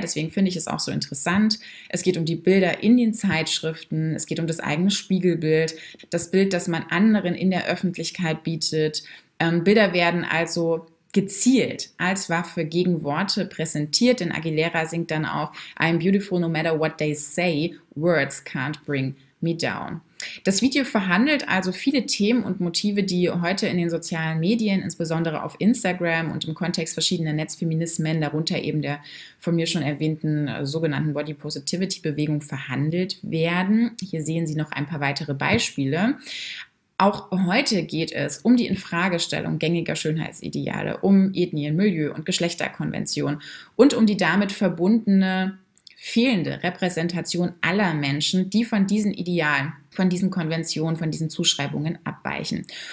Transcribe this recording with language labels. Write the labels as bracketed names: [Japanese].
[German] Deswegen finde ich es auch so interessant. Es geht um die Bilder in den Zeitschriften. Es geht um das eigene Spiegelbild, das Bild, das man anderen in der Öffentlichkeit bietet. Bilder werden also gezielt als Waffe gegen Worte präsentiert. Denn Aguilera singt dann auch [English] "I'm beautiful no matter what they say. Words can't bring me down." [German] Das Video verhandelt also viele Themen und Motive, die heute in den sozialen Medien, insbesondere auf Instagram und im Kontext verschiedener Netzfeminismen, darunter eben der von mir schon erwähnten sogenannten Body Positivity Bewegung, verhandelt werden. Hier sehen Sie noch ein paar weitere Beispiele. Auch heute geht es um die Infragestellung gängiger Schönheitsideale, um Ethnien, Milieu und Geschlechterkonvention und um die damit verbundene fehlende Repräsentation aller Menschen, die von diesen Idealen, von diesen Konventionen, von diesen Zuschreibungen abweichen.